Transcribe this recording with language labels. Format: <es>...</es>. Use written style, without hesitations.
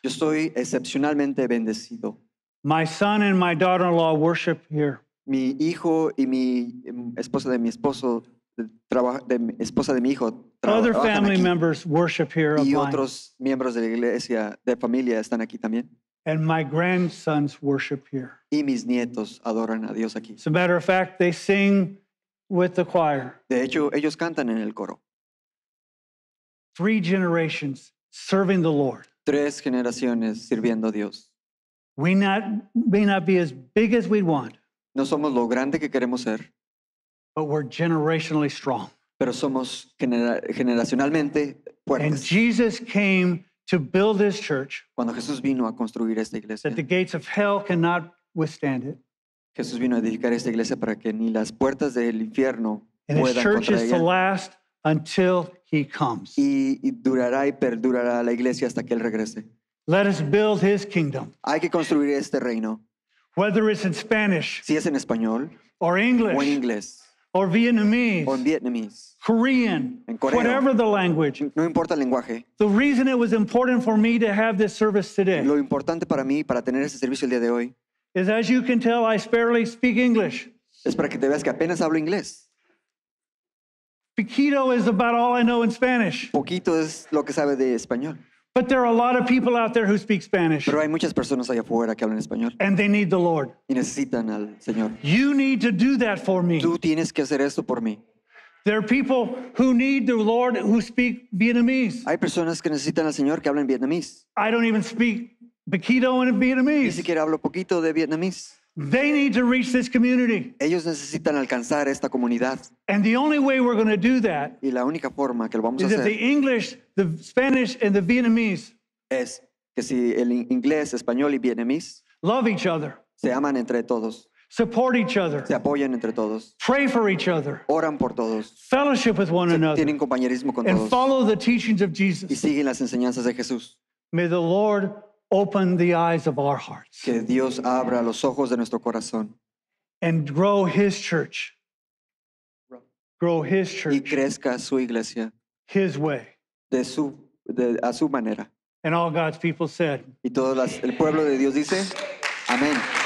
<es>Yo estoy excepcionalmente bendecido.</es> <en>My son and my daughter-in-law worship here.</en> <es>Mi hijo y mi esposa de mi esposo. De esposa de mi hijo,</es> <en>other family</en> <es>aquí.</es> <en>Members worship here.</en> <es>Y otros miembros de la iglesia de familia están aquí también.</es> <en>And my grandsons worship here.</en> <es>Y mis nietos adoran a Dios aquí.</es> <en>As a matter of fact, they sing with the choir.</en> <es>De hecho, ellos cantan en el coro.</es> <en>Three generations serving the Lord.</en> <es>Tres generaciones sirviendo a Dios.</es> <en>We not may not be as big as we want.</en> <es>No somos lo grande que queremos ser.</es> <en>But we're generationally strong.</en> <es>Pero somos generacionalmente fuertes.</es> <en>And Jesus came to build this church.</en> <es>Cuando Jesús vino a construir esta iglesia. That the gates of hell cannot withstand it. Jesús vino a edificar esta iglesia para que ni las puertas del infierno puedan contra ella.</es> <en>And this church is to last until he comes.</en> <es>Y durará y perdurará la iglesia hasta que él regrese.</es> <en>Let us build his kingdom.</en> <es>Hay que construir este reino.</es> <en>Whether it's in Spanish.</en> <es>Si es en español.</es> <en>Or English.</en> <es>O en inglés.</es> <en>Or Vietnamese, or Vietnamese, Korean,</en> <es>en coreano,</es> <en>whatever the language.</en> <es>No importa el lenguaje.</es> <en>The reason it was important for me to have this service today.</en> <es>Lo importante para mí para tener este servicio el día de hoy.</es> <en>Is as you can tell, I sparely speak English.</en> <es>Es para que te veas que apenas hablo inglés.</es> <en>Poquito is about all I know in Spanish.</en> <es>Poquito es lo que sabe de español.</es> <en>But there are a lot of people out there who speak Spanish.</en> <es>Pero hay muchas personas allá afuera que hablan español.</es> <en>And they need the Lord.</en> <es>Y necesitan al Señor.</es> <en>You need to do that for me.</en> <es>Tú tienes que hacer esto por mí.</es> <en>There are people who need the Lord who speak Vietnamese.</en> <es>Hay personas que necesitan al Señor que hablan vietnamés.</es> <en>I don't even speak poquito in Vietnamese.</en> <es>Ni siquiera hablo poquito de vietnamés.</es> <en>They need to reach this community.</en> <es>Ellos necesitan alcanzar esta comunidad.</es> <en>And the only way we're going to do that</en> <es>y la única forma que lo vamos</es> <en>is</en> <es>a hacer</es> <en>if the English, the Spanish, and the Vietnamese</en> <es>es que si el inglés, español y vietnamés</es> <en>Love each other.</en> <es>Se aman entre todos.</es> <en>Support each other.</en> <es>Se apoyan entre todos.</es> <en>Pray for each other.</en> <es>Oran por todos.</es> <en>Fellowship with one another.</en> <es>Tienen compañerismo con</es> <en>and</en> <es>todos.</es> <en>Follow the teachings of Jesus.</en> <es>Y siguen las enseñanzas de Jesús.</es> <en>May the Lord open the eyes of our hearts.</en> <es>Que Dios abra los ojos de nuestro corazón.</es> <en>And grow His church. Grow His church.</en> <es>Y crezca su iglesia.</es> <en>His way.</en> <es>A su manera.</es> <en>And all God's people said.</en> <es>Y todo el pueblo de Dios dice, amén.</es>